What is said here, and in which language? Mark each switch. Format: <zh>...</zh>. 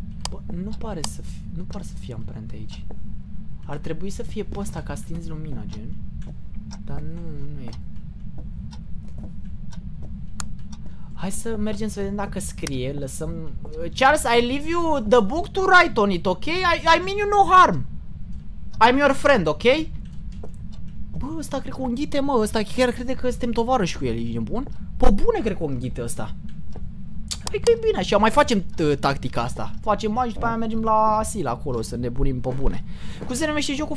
<ro>Bă, nu. pare să fie, nu pare să fie amprente aici. Ar trebui să fie pe ăsta ca stinzi lumina, gen. Dar nu, nu e. Hai să mergem să vedem dacă scrie, lăsăm...</ro> <en>Charles, I leave you the book to write on it, ok? I mean you no harm. I'm your friend, ok?</en> <ro>Bă, ăsta cred că o înghite, mă, ăsta chiar crede că suntem tovarăși cu el, e bun? Pă, bune cred că o înghite ăsta. Păi că e bine așa, mai facem tactica asta. Facem mai și după aia mergem la asil acolo să ne bunim pe bune. Cum se numește jocul?</ro>